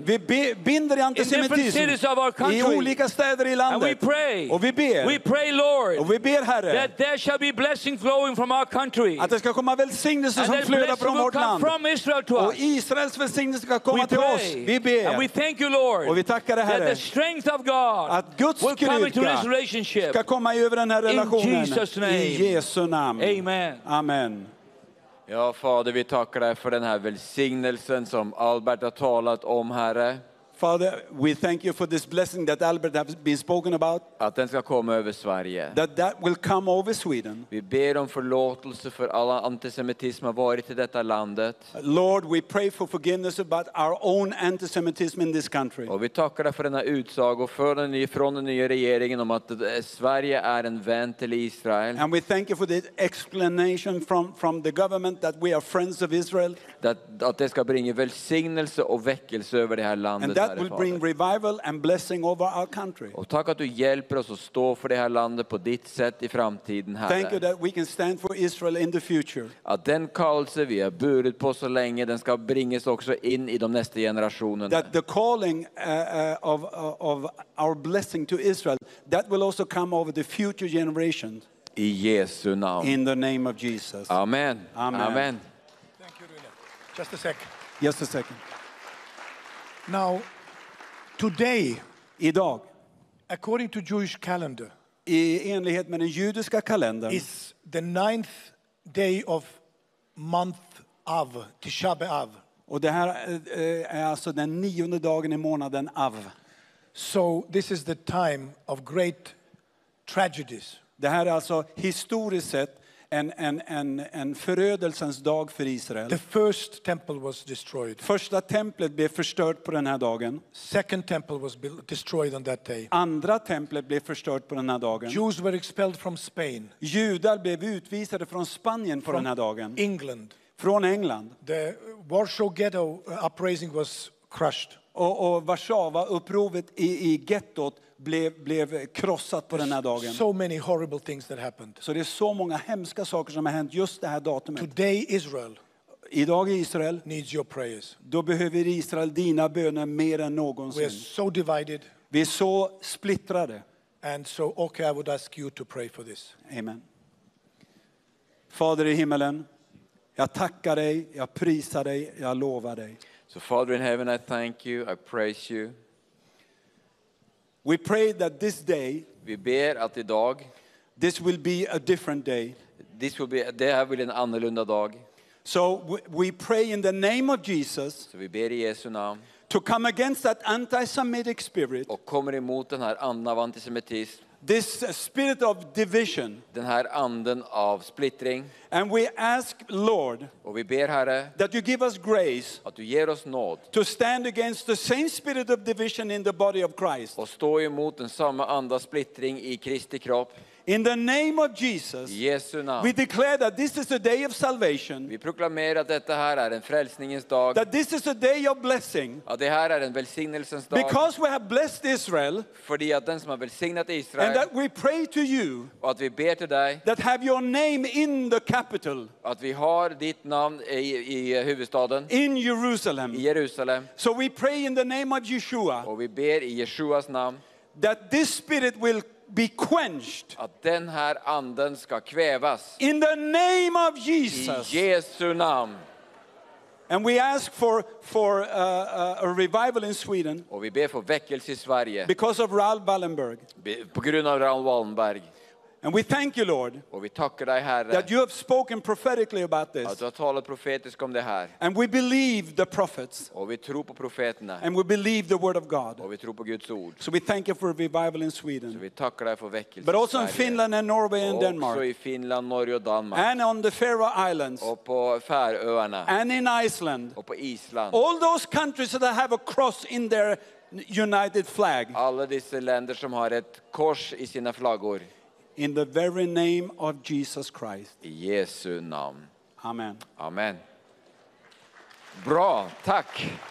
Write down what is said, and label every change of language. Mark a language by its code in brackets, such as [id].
[sv] Vi binder antisemitism. [en] In cities of our country. [sv] I olika städer i landet. [en] And we pray. [sv] Och vi ber. [en] We pray, Lord. [sv] Och vi ber, Herre. [en] That there shall be blessing flowing from our country. [sv] Att det ska komma välsignelse som flödar från vårt land. [en] From Israel to us. [sv] Och Israels välsignelse ska komma till oss. oss, vi ber. [en] And we thank you, Lord. [sv] Och vi tackar dig, Herre. [en] That the strength of God [sv] att Guds [en] will [sv] styrka [en] come into this relationship. [sv] Ska komma över den här relationen. [en] In Jesus name. [sv] I Jesu namn. [en] Amen. [sv] Amen. Ja, Fader, vi tackar dig för den här välsignelsen som Albert har talat om, Herre. [en] Father, we thank you for this blessing that Albert has been spoken about. [sv] Att den ska komma över Sverige. [en] That will come over Sweden. [sv] Vi ber om förlåtelse för alla antisemitism som varit i detta landet. [en] Lord, we pray for forgiveness about our own antisemitism in this country. [sv] Och vi tackar för denna utsaga och för den från den nya regeringen om att Sverige är en vän till Israel. [en] And we thank you for the explanation from the government that we are friends of Israel. [sv] Att det ska bringa välsignelse och väckelse över det här landet. [en] And that will bring revival and blessing over our country. [sv] Och tack att du hjälper oss att stå för det här landet på ditt sätt i framtiden, Herre. [en] Thank you that we can stand for Israel in the future. [sv] Att den kallelse vi har burit på så länge, den ska bringas också in i de nästa generationerna. [en] That the calling of our blessing to Israel, that will also come over the future generations. [sv] I Jesu namn. [en] In the name of Jesus. [sv] Amen. Amen. Amen. [en] Thank you, Rune. Just a sec. Just a second. Now, today, [sv] idag, [en] according to Jewish calendar, [sv] i enlighet med den judiska kalendern, [en] is the ninth day of month Av, Tisha B'Av. [sv] Och det här är alltså den nionde dagen i månaden Av. [en] So this is the time of great tragedies. [sv] Det här är alltså historiskt sett en förödelsens dag för Israel. [en] The first temple was destroyed. [sv] Första templet blev förstört på den här dagen. [en] Second temple was destroyed on that day. [sv] Andra templet blev förstört på den här dagen. [en] Jews were expelled from Spain. [sv] Judar blev utvisade från Spanien på den här dagen. [en] England. [sv] Från England. [en] The Warsaw Ghetto uprising was crushed. [sv] Och Warszawa-upprovet i gettot blev krossat på den här dagen. [en] So many horrible things that happened. [sv] Så det är så många hemska saker som har hänt just det här datumet. [en] Today Israel. [sv] Idag Israel [en] needs your prayers. [sv] Då behöver Israel dina böner mer än någonsin. [en] We are so divided. [sv] Vi är så splittrade. [en] And so okay, I would ask you to pray for this. Amen. [sv] Fader i himmelen, jag tackar dig, jag prisar dig, jag lovar dig. [en] So Father in heaven, I thank you, I praise you. We pray that this day, [sv] vi ber att idag, [en] this will be a different day. This will be [sv] det här blir en annorlunda dag. [en] So we pray in the name of Jesus. [sv] Så vi ber i Jesu namn. [en] To come against that anti-Semitic spirit. [sv] Och kommer emot den här anden av antisemitism. [en] This spirit of division. [sv] Den här anden av splittring. [en] And we ask Lord. [sv] Och vi ber Herre. [en] That you give us grace. [sv] Att du ger oss nåd. [en] To stand against the same spirit of division in the body of Christ. [sv] Och stå emot den samma anda splittring i Kristi kropp. [en] In the name of Jesus. [sv] I Jesu namn. [en] We declare that this is a day of salvation. [sv] Vi proklamerar att detta här är en frälsningens dag. [en] That this is a day of blessing. [sv] Att det här är en välsignelsens dag. [en] Because we have blessed Israel. [sv] För det att den som har välsignat Israel. [en] And that we pray to you. [sv] Och att vi ber till dig. [en] That have your name in the capital. [sv] Att vi har ditt namn i huvudstaden. [en] In Jerusalem. [sv] I Jerusalem. [en] So we pray in the name of Yeshua. [sv] Och vi ber i Yeshuas namn. [en] That this spirit will be quenched. [sv] Att den här anden ska kvävas. [en] In the name of Jesus. [sv] I Jesu namn. [en] And we ask for a revival in Sweden. [sv] Och vi ber för väckelse i Sverige. [en] Because of Raoul Wallenberg. [sv] På grund av Raoul Wallenberg. [en] And we thank you, Lord. [sv] Och vi tackar dig, Herre. [en] That you have spoken prophetically about this. [sv] Att du har talat profetiskt om det här. [en] And we believe the prophets. [sv] Och vi tror på profeterna. [en] And we believe the word of God. [sv] Och vi tror på Guds ord. [en] So we thank you for revival in Sweden. [sv] Så vi tackar dig för väckelse. [en] But also in Finland and Norway and Denmark. [sv] Och så i Finland, Norge och Danmark. [en] And on the Faroe Islands. [sv] Och på Färöarna. [en] And in Iceland. [sv] Och på Island. [en] All those countries that have a cross in their united flag. [sv] Alla dessa länder som har ett kors i sina flaggor. [en] In the very name of Jesus Christ. [sv] I Jesu namn. [en] Amen. [sv] Amen. Bra, tack.